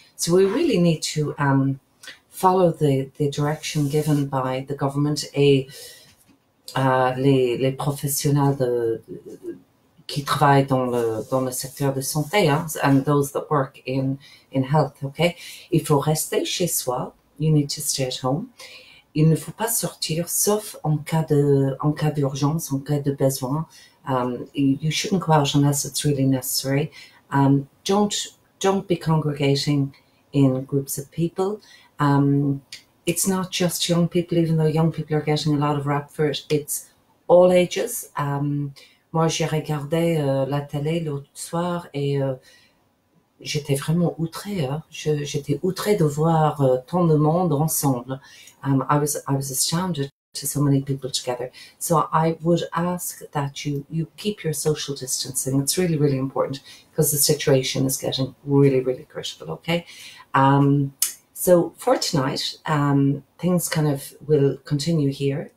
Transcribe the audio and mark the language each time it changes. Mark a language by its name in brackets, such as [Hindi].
[English] So we really need to follow the direction given by the government [French] et les professionnels qui travaillent dans le secteur de santé, hein, [English] and those that work in health, okay? [French] Il faut rester chez soi, [English] you need to stay at home. [French] Il ne faut pas sortir sauf en cas d'urgence, en cas de besoin. [English] You shouldn't go out unless it's really necessary. Don't be congregating in groups of people. It's not just young people, even though young people are getting a lot of rap for it. It's all ages. [French] Moi, j'ai regardé la télé l'autre soir et j'étais vraiment outrée. Hein. J'étais outrée de voir tant de monde ensemble. [English] I was astounded to so many people together. So I would ask that you keep your social distancing. It's really, really important because the situation is getting really, really critical. Okay. So for tonight, things kind of will continue here.